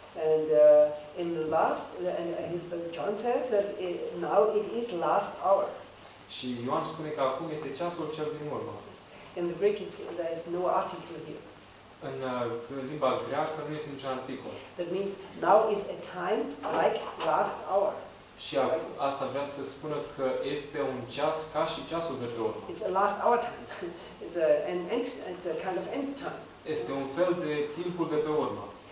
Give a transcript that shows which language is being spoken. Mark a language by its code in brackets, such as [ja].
[en] And in the last, John says that now it is last hour. [ro] Și Ioan spune că acum este ceasul cel din urmă. [en] In the Greek there is no article here. [ro] În limba greacă nu este niciun articol. [en] That means now is a time like last hour. [ro] Și asta vrea să spună că este un ceas ca și ceasul de pe urmă. [en] It's a last hour time. It's it's a kind of end time. [ro] Este un fel de timpul de pe urmă.